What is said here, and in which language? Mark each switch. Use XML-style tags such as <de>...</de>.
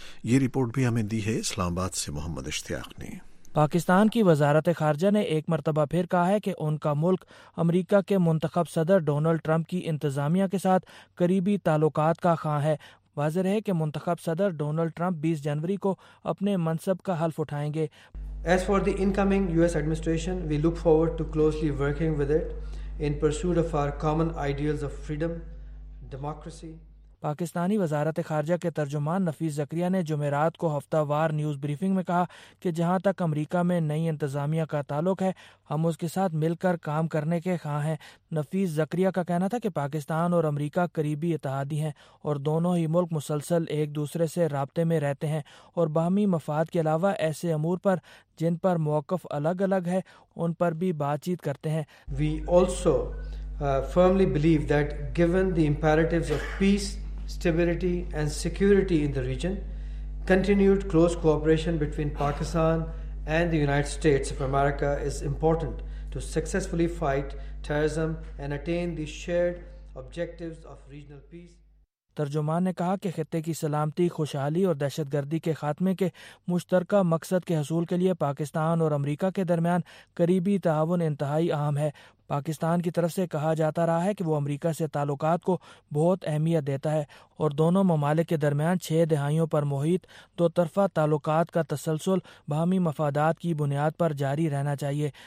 <ur>یہ رپورٹ بھی ہمیں دی ہے اسلام آباد سے محمد اشتیاق نے. پاکستان کی وزارت خارجہ نے ایک مرتبہ پھر کہا ہے کہ ان کا ملک امریکہ کے منتخب صدر ڈونلڈ ٹرمپ کی انتظامیہ کے ساتھ قریبی تعلقات کا خواہاں ہے. واضح ہے کہ منتخب صدر ڈونلڈ ٹرمپ 20 جنوری کو اپنے منصب کا حلف اٹھائیں گے.</ur> <en>As for the incoming US administration, we look forward to closely working with it in pursuit of our common ideals of freedom, democracy.</en> <ur>Pakistani وزارت خارجہ کے ترجمان نفیس زکریا نے جمعرات کو ہفتہ وار نیوز بریفنگ میں کہا کہ جہاں تک امریکہ میں نئی انتظامیہ کا تعلق ہے ہم اس کے ساتھ مل کر کام کرنے کے خواہاں ہیں. نفیس زکریا کا کہنا تھا کہ پاکستان اور امریکہ قریبی اتحادی ہیں اور دونوں ہی ملک مسلسل ایک دوسرے سے رابطے میں رہتے ہیں اور باہمی مفاد کے علاوہ ایسے امور پر جن پر موقف الگ الگ ہے ان پر بھی بات چیت کرتے ہیں.</ur> <en>We also firmly believe that given the imperatives of peace, stability and security in the region, continued close cooperation between Pakistan and the United States of America is important to successfully fight terrorism and attain the shared objectives of regional peace.</en> <ur>ترجمان نے کہا کہ خطے کی سلامتی، خوشحالی اور دہشت گردی کے خاتمے کے مشترکہ مقصد کے حصول کے لیے پاکستان اور امریکہ کے درمیان قریبی تعاون انتہائی اہم ہے. پاکستان کی طرف سے کہا جاتا رہا ہے کہ وہ امریکہ سے تعلقات کو بہت اہمیت دیتا ہے اور دونوں ممالک کے درمیان 6 دہائیوں پر محیط دو طرفہ تعلقات کا تسلسل باہمی مفادات کی بنیاد پر جاری رہنا چاہیے.</ur>